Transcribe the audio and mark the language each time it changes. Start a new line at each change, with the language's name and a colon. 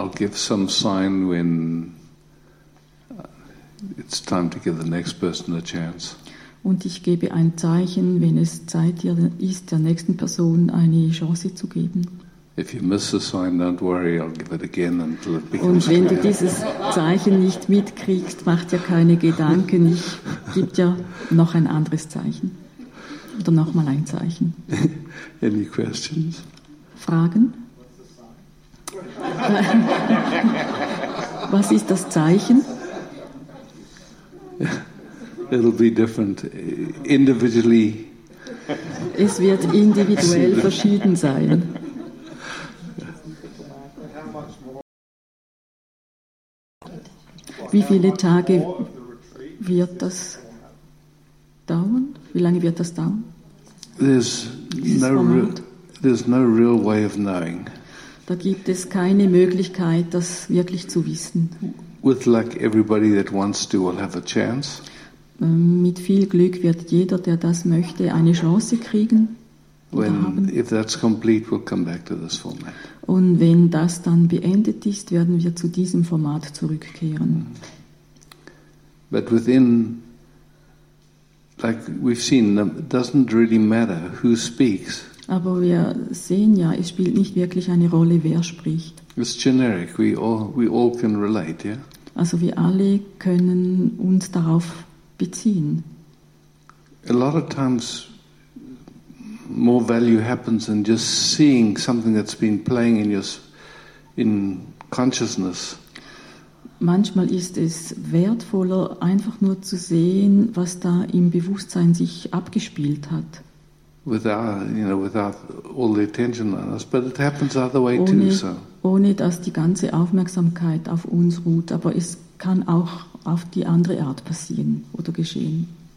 English: I'll give some sign when it's time to give the next person a chance.
German: Und ich gebe ein Zeichen, wenn es Zeit ist, der nächsten Person eine Chance zu geben.
English: If you miss the sign, don't worry, I'll give it again until it becomes
German: Und wenn
English: clear.
German: Du dieses Zeichen nicht mitkriegst, mach dir keine Gedanken, ich gebe dir noch ein anderes Zeichen. Oder noch mal ein Zeichen.
English: Any questions?
German: Fragen? Was ist das Zeichen?
English: It'll be different individually.
German: Es wird individuell verschieden sein. Wie viele Tage wird das dauern? Wie lange wird das dauern?
English: There's no real way of knowing.
German: Da gibt es keine Möglichkeit, das wirklich zu wissen.
English: With luck, everybody that wants to will have a chance.
German: Mit viel Glück wird jeder, der das möchte, eine Chance kriegen.
English: If that's complete, we'll come back to this format.
German: Und wenn das dann beendet ist, werden wir zu diesem Format zurückkehren.
English: But within like we've seen, doesn't really matter who speaks.
German: Aber wir sehen ja, es spielt nicht wirklich eine Rolle, wer spricht.
English: It's generic. We all can relate, yeah.
German: Also wir alle können uns darauf beziehen.
English: A lot of times, more value happens than just seeing something that's been playing in consciousness.
German: Manchmal ist es wertvoller, einfach nur zu sehen, was da im Bewusstsein sich abgespielt hat.
English: Without all the attention on us, but it happens the other way
German: ohne,
English: too. So.
German: Ohne dass die ganze Aufmerksamkeit auf uns ruht, aber es kann auch auf die andere Art passieren oder geschehen.